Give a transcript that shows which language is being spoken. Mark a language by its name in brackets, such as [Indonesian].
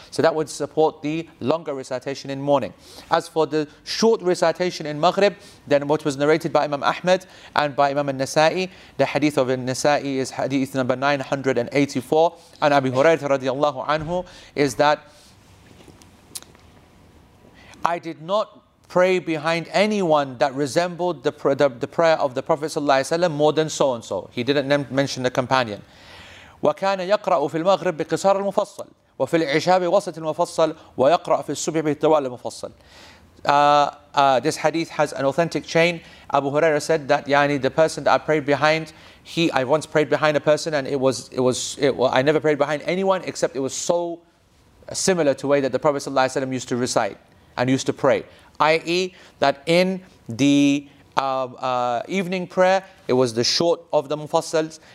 [English] So that would support the longer recitation in morning. As for the short recitation in Maghrib, then what was narrated by Imam Ahmed and by Imam al-Nasa'i, the hadith of al-Nasa'i is hadith number 984, and Abi Hurairah radiallahu anhu, is that I did not pray behind anyone that resembled the prayer of the Prophet sallallahu alaihi wasallam more than so-and-so. He didn't mention the companion. [Arabic] وكان يقرأ في المغرب بقصار المفصل وفي العشاء بوسط المفصل ويقرأ في الصبح بالطوال المفصل. [English] This hadith has an authentic chain, Abu Huraira said that yani the person that I prayed behind, I once prayed behind a person and I never prayed behind anyone except it was so similar to the way that the Prophet ﷺ used to recite and used to pray. I.e. that in the evening prayer, it was the short of the Mufassals.